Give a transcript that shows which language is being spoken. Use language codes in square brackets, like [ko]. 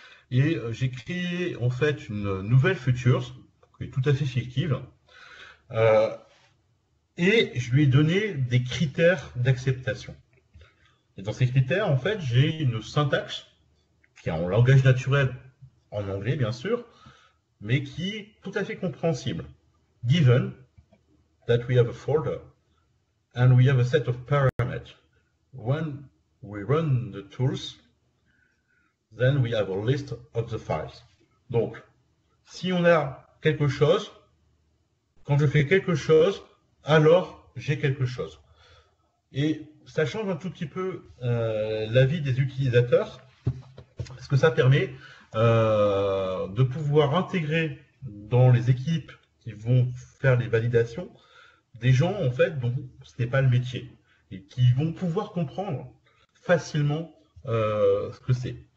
[fr] Et j'ai créé en fait une nouvelle feature, qui est tout à fait fictive, et je lui ai donné des critères d'acceptation. Et dans ces critères, en fait, j'ai une syntaxe, qui est en langage naturel, en anglais, bien sûr, mais qui est tout à fait compréhensible. [en] Given that we have a folder and we have a set of parameters. When we run the tools, then we have a list of the files. [fr] Donc, si on a quelque chose, quand je fais quelque chose, alors j'ai quelque chose. Et ça change un tout petit peu la vie des utilisateurs, parce que ça permet de pouvoir intégrer dans les équipes qui vont faire les validations, des gens en fait dont ce n'est pas le métier et qui vont pouvoir comprendre facilement ce que c'est.